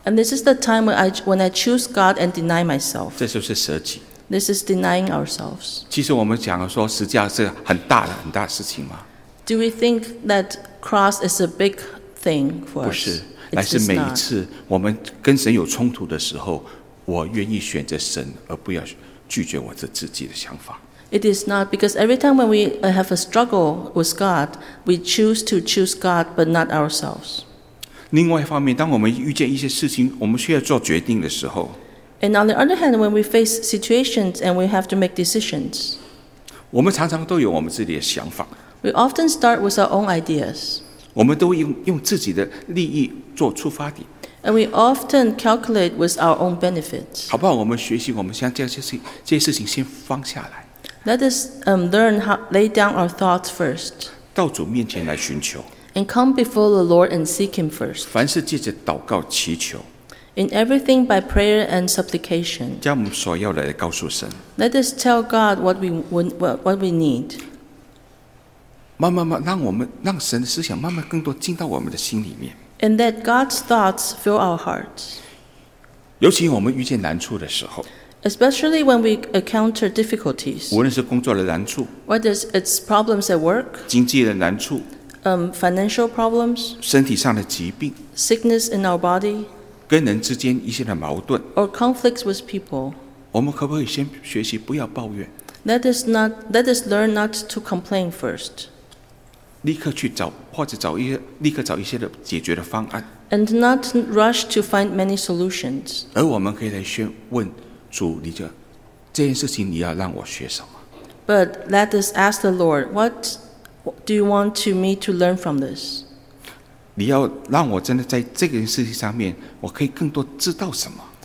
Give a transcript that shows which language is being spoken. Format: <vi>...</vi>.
<en>And this is the time when I choose God and deny myself.</en> <zh>这就是舍己。</zh> <en>This is denying ourselves.</en> <zh>其实我们讲说十字架是很大的事情吗？</zh> <en>Do we think that cross is a big thing for us?</en> <zh>不是，乃是每一次我们跟神有冲突的时候，我愿意选择神，而不要拒绝我自己的想法。</zh> <en>It is not because every time when we have a struggle with God, we choose to choose God but not ourselves.</en> <zh>另外一方面，当我们遇见一些事情，我们需要做决定的时候。</zh> <en>And on the other hand, when we face situations and we have to make decisions.</en> <zh>我们常常都有我们自己的想法。</zh> <en>We often start with our own ideas.</en> <zh>我们都用自己的利益做出发点。</zh> <en>And we often calculate with our own benefits.</en> <zh>好不好？我们学习，我们先将这些事情先放下来。</zh> <en>Let us learn how lay down our thoughts first.</en> <zh>到主面前来寻求。</zh> <en>And come before the Lord and seek Him first.</en> <zh>凡事借着祷告祈求。</zh> <en>In everything by prayer and supplication.</en> <zh>将我们所要的告诉神。</zh> <en>Let us tell God what we need.</en> <zh>慢慢让神的思想慢慢更多进到我们的心里面。</zh> <en>And let God's thoughts fill our hearts.</en> <zh>尤其我们遇见难处的时候。</zh> <en>Especially when we encounter difficulties.</en> <zh>无论是工作的难处。</zh> <en>Whether it's problems at work.</en> <zh>经济的难处。</zh> <en>financial problems,</en> <zh>身体上的疾病</zh> <en>sickness in our body,</en> <zh>跟人之间一些的矛盾</zh> <en>or conflicts with people,</en> <zh>我们可不可以先学习不要抱怨</zh> <en>let us learn not to complain first,</en> <zh>立刻去找或者找一些立刻找一些的解决的方案</zh> <en>and not rush to find many solutions,</en> <zh>而我们可以来先问主你的这件事情你要让我学什么</zh> <en>but let us ask the Lord, whatDo you want to me to learn from this?</en> <zh>你要让我真的在这件事情上面，我可以更多知道什么</zh>